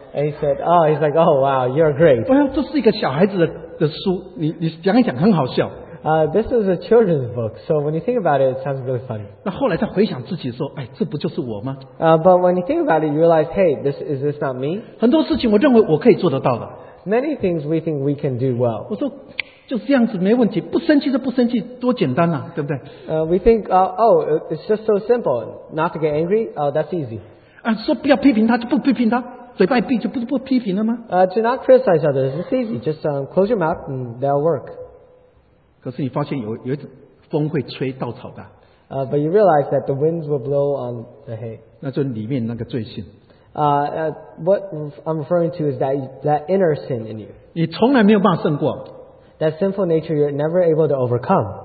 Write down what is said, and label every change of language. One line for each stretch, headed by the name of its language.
English: And he said, oh, he's like, oh, wow, you're great.
Chinese: 这是一个小孩子的书，你讲一讲很好笑。
English: This is a children's book, so when you think about it, it sounds really funny.
Chinese: 那后来他回想自己说，哎，这不就是我吗？
English: But when you think about it, you realize, hey, is this not me?
Chinese: 很多事情我认为我可以做得到的。Many
English: things we think we can do well.
Chinese: 我说，就是这样子，没问题，不生气就不生气，多简单啊，对不对？
English: We think, it's just so simple, not to get angry, that's easy.
Chinese: 说不要批评他，就不批评他。嘴巴闭就不批评了吗?
English: To not criticize others, it's easy. Just close your mouth and they'll work.
Chinese: 可是你发现有一种风会吹稻草的。
English: But you realize that the winds will blow on the hay.
Chinese: 那就里面那个罪性。
English: What I'm referring to is that inner sin in you.
Chinese: 你从来没有办法胜过。
English: That sinful nature you're never able to overcome.